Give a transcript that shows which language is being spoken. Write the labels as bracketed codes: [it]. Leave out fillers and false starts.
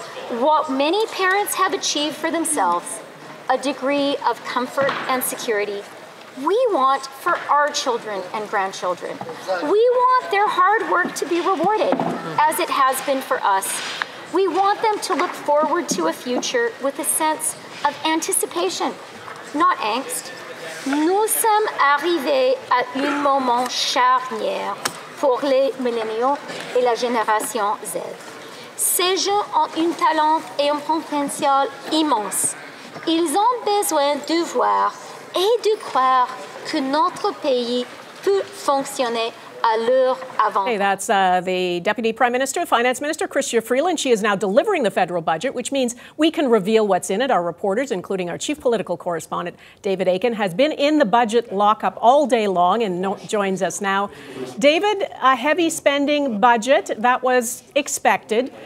[en] What many parents have achieved for themselves, a degree of comfort and security, we want for our children and grandchildren. We want their hard work to be rewarded, as it has been for us. We want them to look forward to a future with a sense of anticipation, not angst. [fr] Nous sommes arrivés à un moment charnière pour les milléniaux et la génération Z. Ces jeunes ont un talent et un potentiel immense. Ils ont besoin de voir et de croire que notre pays peut fonctionner. [en] Hey, that's the Deputy Prime Minister, Finance Minister, Chrystia Freeland. She is now delivering the federal budget, which means we can reveal what's in it. Our reporters, including our chief political correspondent, David Aiken, has been in the budget lockup all day long and joins us now. David, a heavy spending budget that was expected.